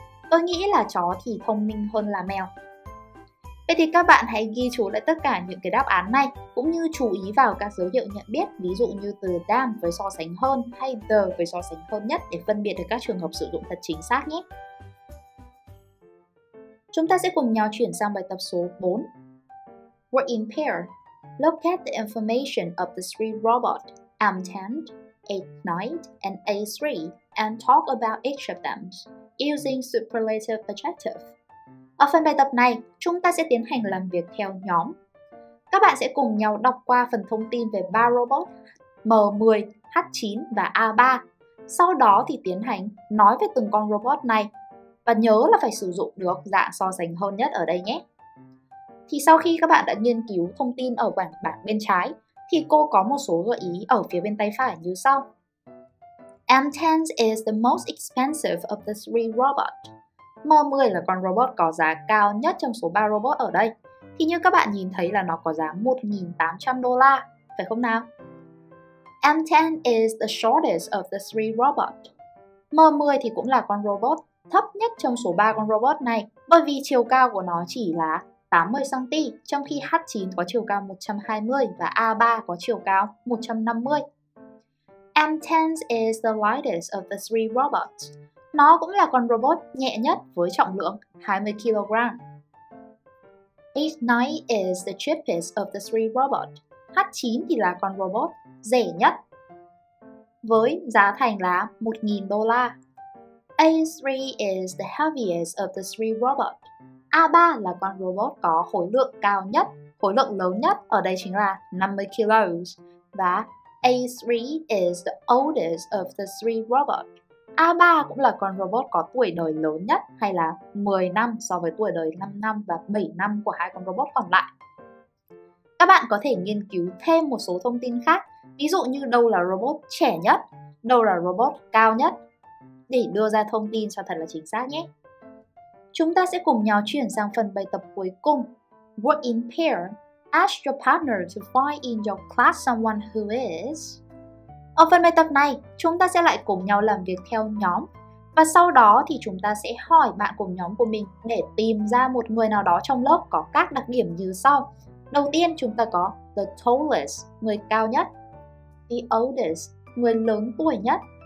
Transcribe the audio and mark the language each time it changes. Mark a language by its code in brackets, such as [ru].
[vi] Tôi nghĩ là chó thì thông minh hơn là mèo. Vậy thì các bạn hãy ghi chú lại tất cả những cái đáp án này, cũng như chú ý vào các dấu hiệu nhận biết, ví dụ như từ than với so sánh hơn hay the với so sánh hơn nhất để phân biệt được các trường hợp sử dụng thật chính xác nhé. Chúng ta sẽ cùng nhau chuyển sang bài tập số 4. [en] Work in pair. Look at the information of the three robots, M10, A9, and A3, and talk about each of them using superlative adjective. [vi] Ở phần bài tập này, chúng ta sẽ tiến hành làm việc theo nhóm. Các bạn sẽ cùng nhau đọc qua phần thông tin về ba robot M10, H9 và A3. Sau đó thì tiến hành nói về từng con robot này. Và nhớ là phải sử dụng được dạng so sánh hơn nhất ở đây nhé. Thì sau khi các bạn đã nghiên cứu thông tin ở bảng bên trái, thì cô có một số gợi ý ở phía bên tay phải như sau. [en] M10 is the most expensive of the three robots. [vi] M10 là con robot có giá cao nhất trong số 3 robot ở đây. Thì như các bạn nhìn thấy là nó có giá $1,800, phải không nào? [en] M10 is the shortest of the three robots. [vi] M10 thì cũng là con robot thấp nhất trong số 3 con robot này, bởi vì chiều cao của nó chỉ là 80cm, trong khi H9 có chiều cao 120 và A3 có chiều cao 150. [en] M10 is the lightest of the three robots. [vi] Nó cũng là con robot nhẹ nhất với trọng lượng 20kg. [en] H9 is the cheapest of the three robots. [vi] H9 thì là con robot rẻ nhất với giá thành là $1,000. [en] A3 is the heaviest of the three robots. [vi] A3 là con robot có khối lượng cao nhất, khối lượng lớn nhất, ở đây chính là 50kg. [en] Và A3 is the oldest of the three robots. [vi] A3 cũng là con robot có tuổi đời lớn nhất, hay là 10 năm so với tuổi đời 5 năm và 7 năm của hai con robot còn lại. Các bạn có thể nghiên cứu thêm một số thông tin khác, ví dụ như đâu là robot trẻ nhất, đâu là robot cao nhất, để đưa ra thông tin cho thật là chính xác nhé. Chúng ta sẽ cùng nhau chuyển sang phần bài tập cuối cùng. [en] Work in pair. Ask your partner to find in your class someone who is. [vi] Ở phần bài tập này, chúng ta sẽ lại cùng nhau làm việc theo nhóm. Và sau đó thì chúng ta sẽ hỏi bạn cùng nhóm của mình để tìm ra một người nào đó trong lớp có các đặc điểm như sau. Đầu tiên chúng ta có the tallest, người cao nhất. The oldest, người lớn tuổi nhất.